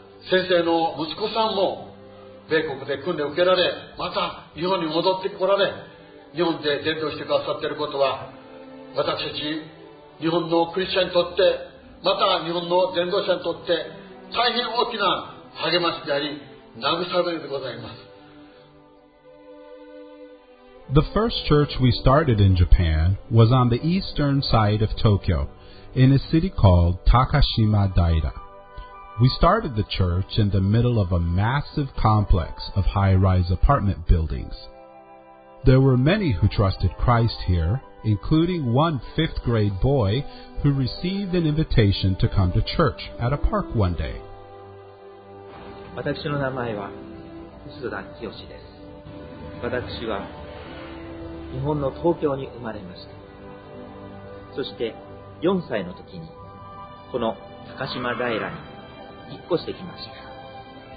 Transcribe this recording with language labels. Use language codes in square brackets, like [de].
[ja] 先生の息子さんも米国で訓練を受けられ、また日本に戻ってこられ、日本で伝道してくださっていることは、私たち日本のクリスチャンにとって、また日本の伝道者にとって大変大きな励ましであり、慰めでございます。 [en] The first church we started in Japan was on the eastern side of Tokyo, in a city called Takashima Daira. We started the church in the middle of a massive complex of high-rise apartment buildings. There were many who trusted Christ here, including one fifth grade boy who received an invitation to come to church at a park one day. [ja] 私の名前は須田清です。私は日本の東京に生まれました。そして4歳の時にこの高島平に引っ越してきました。